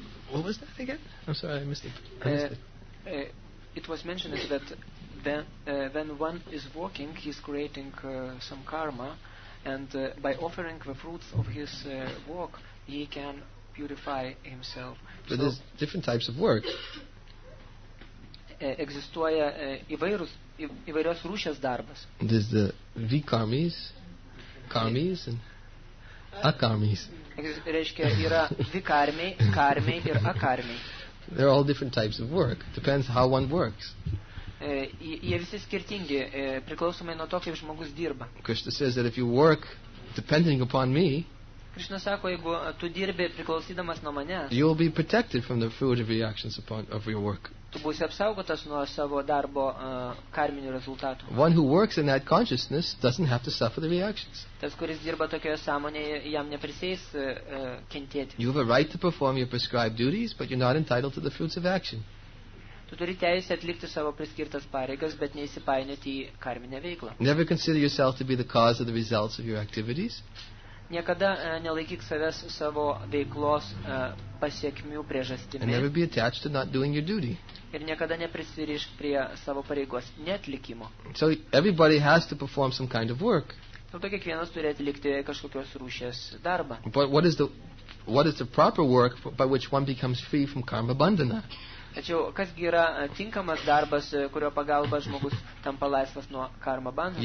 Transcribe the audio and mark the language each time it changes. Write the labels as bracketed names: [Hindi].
[English] what was that again? I'm sorry, I missed it. It was mentioned that when one is walking, he is creating some karma, and by offering the fruits of his walk, he can purify himself. But so there's different types of work. [Lithuanian] Egzistuoja įvairios rūšės darbas. [English] There's the vikarmis, karmis, and akarmis. [Lithuanian] Reiškia, yra vikarmiai, karmiai ir akarmiai. [English] There are all different types of work. Depends how one works. [Lithuanian] Jie visi skirtingi, priklausomai nuo to, kaip žmogus dirba. [English] Krishna says that if you work depending upon me, [Lithuanian] Krishna sako, jeigu tu dirbi priklausydamas nuo manęs, [English] you will be protected from the fruitive reactions of your work. [Lithuanian] Tu būsi apsaugotas nuo savo darbo karminių rezultatų. [English] One who works in that consciousness doesn't have to suffer the reactions. [Lithuanian] Tas, kuris dirba tokioje sąmonėje, jam neprisės kentėti. [English] You have a right to perform your prescribed duties, but you're not entitled to the fruits of action. [Lithuanian] Tu turi teisę atlikti savo priskirtas pareigas, bet neįsipainioti į karminę veiklą. [English] Never consider yourself to be the cause of the results of your activities. [Lithuanian] Niekada nelaikyk savęs savo veiklos pasiekmių priežastimi. [English] And never be attached to not doing your duty. [Lithuanian] Ir niekada neprisirišk prie savo pareigos neatlikimo. [English] So everybody has to perform some kind of work. [Lithuanian] Tad kiekvienas turi atlikti kažkokios rūšės darbą. [English] But what is the proper work by which one becomes free from karma bandhana? [Lithuanian] Tačiau kas yra tinkamas darbas, kurio pagalba žmogus tampa laisvas nuo karma bandhana?